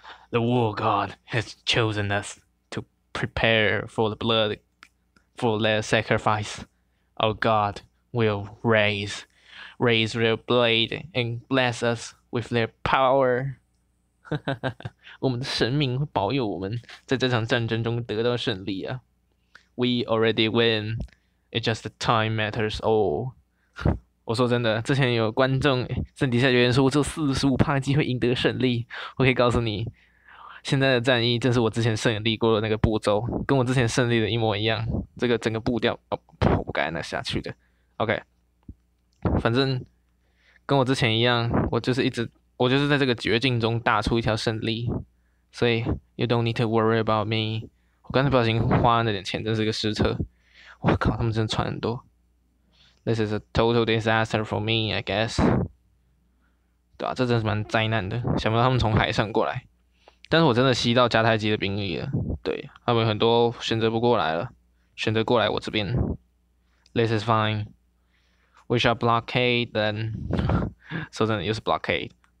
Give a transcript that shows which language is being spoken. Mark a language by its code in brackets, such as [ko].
[en] The war god has chosen us to prepare for the blood, for their sacrifice. Our god will raise their blade and bless us with their power. [zh] 我们的神明会保佑我们在这场战争中得到胜利啊。 [en] We already win. It's just the time matters all. [zh] 我说真的，之前有观众在底下留言说，我只有45%机会赢得胜利。我可以告诉你，现在的战役正是我之前胜利过的那个步骤，跟我之前胜利的一模一样。这个整个步调，哦，我不该那下去的。OK，反正跟我之前一样，我就是在这个绝境中打出一条胜利。 [en] 所以，you don't need to worry about me。 [zh] 我刚才不小心花那点钱，真是个失策。我靠，他们真的穿很多。 [en] This is a total disaster for me, I guess。 [zh] 对啊，这真是蛮灾难的。想不到他们从海上过来，但是我真的吸到迦太基的兵力了。对，他们很多选择不过来了，选择过来我这边。 [en] This is fine. We shall blockade then. [zh] 说真的，又是 [en] blockade。